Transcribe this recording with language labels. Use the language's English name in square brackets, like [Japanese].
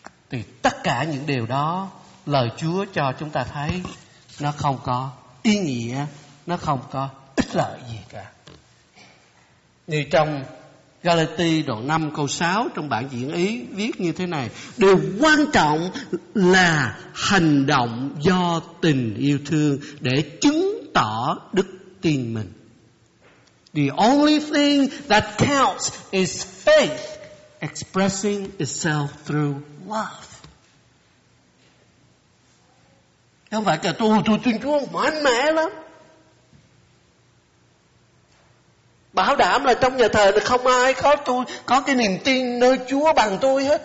[Vietnamese] Thì tất cả những điều đó lời Chúa cho chúng ta thấy nó không có ý nghĩa, nó không có ích lợi gì cả. Như trong Galati đoạn 5 câu 6 trong bản diễn ý viết như thế này: điều quan trọng là hành động do tình yêu thương để chứng tỏ đức tin mình. [English] The only thing that counts is faith expressing itself through love. [Vietnamese] Không phải cả tôi tin Chúa mạnh mẽ lắm, bảo đảm là trong nhà thờ là không ai có tôi có cái niềm tin nơi Chúa bằng tôi hết.